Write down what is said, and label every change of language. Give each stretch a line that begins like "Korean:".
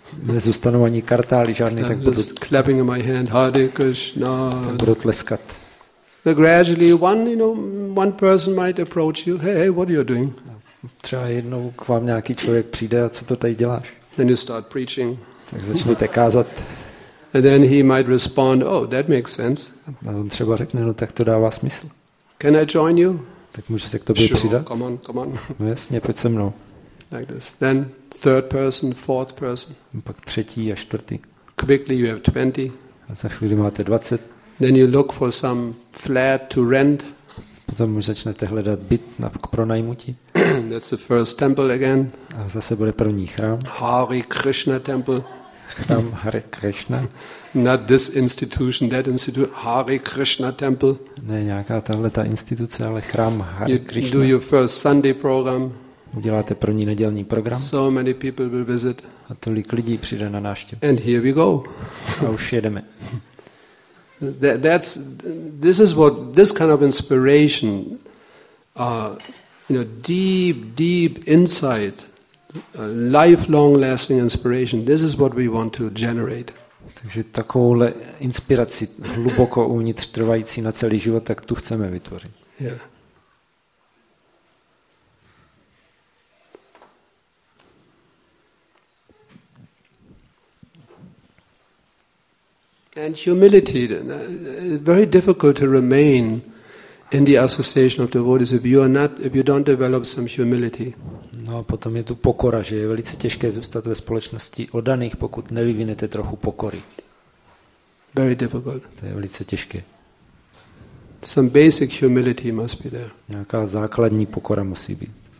Czech: Nezůstanou ani kartály, žádný, tak budu...
English: Clapping in my hand, Hare Krishna.
Czech: Tak budu tleskat.
English: So gradually one person might approach you. Hey, what are you doing?
Czech: Třeba jednou k vám nějaký člověk přijde a co to tady děláš?
English: Then you start preaching.
Czech: Tak začnete kázat.
English: And then he might respond, oh, that makes sense.
Czech: A on třeba řekne, no tak to dává smysl.
English: Can I join you?
Czech: Tak můžu se k tobě přidat?
English: Come on, come on.
Czech: No jasně, pojď se mnou.
English: Like this. Then third person, fourth person.
Czech: Pak třetí a čtvrtý.
English: Quickly you have 20.
Czech: A za chvíli máte 20.
English: Then you look for some flat to rent.
Czech: Potom už začnete hledat byt na k pronajmutí.
English: That's the first temple again.
Czech: A zase bude první chrám.
English: Hare Krishna temple.
Czech: Chrám Hare Krishna.
English: Not this institution, that institution. Hare Krishna temple.
Czech: Ne nějaká tahle ta instituce, ale chrám Hare Krishna.
English: You do your first Sunday program.
Czech: Uděláte první nedělní program.
English: So many people will visit.
Czech: A tolik lidí přijde na návštěvu.
English: And here we go.
Czech: A už jedeme.
English: This kind of inspiration, you know, deep insight, lifelong lasting inspiration. This is what we want to generate.
Czech: Takže takovouhle inspiraci hluboko uvnitř trvající na celý život, tak tu chceme vytvořit.
English: Yeah. And humility, very difficult to remain in the association of devotees if you don't develop some humility.
Czech: No, potom je tu pokora, že je velice těžké zůstat ve společnosti oddaných, pokud nevyvinete trochu pokory.
English: Very difficult.
Czech: To je velice těžké.
English: Some basic humility must be there.
Czech: Nějaká základní pokora musí být.